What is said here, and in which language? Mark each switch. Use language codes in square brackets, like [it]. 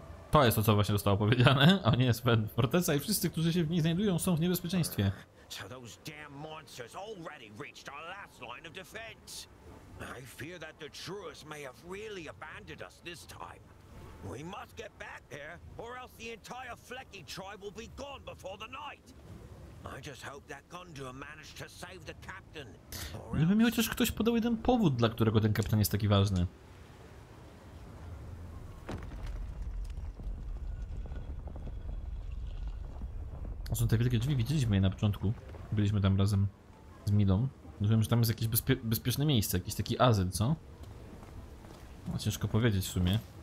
[pl] To jest to, co właśnie zostało powiedziane. A nie, Sven, fortecy i wszyscy, którzy się w niej znajdują, są w niebezpieczeństwie. [en] So those damn monsters already reached our last line of defense. I fear that the truest may have really abandoned us this time. We must get back there, or else the entire Flecky tribe will be gone before the night. I just hope that Gundur managed to save the captain. [pl] Gdyby mi chociaż ktoś podał jeden powód, dla którego ten kapitan jest taki ważny. To są te wielkie drzwi, widzieliśmy je na początku. Byliśmy tam razem z Midą. Wiem, że tam jest jakieś bezpieczne miejsce, jakiś taki azyl, co? No, ciężko powiedzieć w sumie.